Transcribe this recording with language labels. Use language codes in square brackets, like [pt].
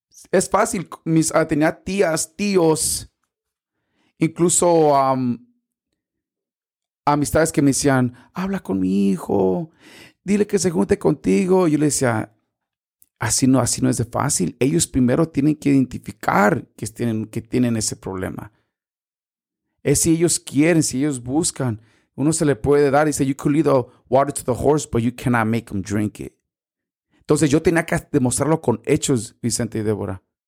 [es] Es fácil, tenía tías, tíos, incluso amistades que me decían, habla con mi hijo, dile que se junte contigo. Yo le decía, así no es de fácil. Ellos primero tienen que identificar que tienen ese problema. Es si ellos quieren, si ellos buscan. Uno se le puede dar. Dice, [en] you could lead the water to the horse, but you cannot make them drink it. [es] Entonces yo tenía que demostrarlo con hechos, Vicente y Débora.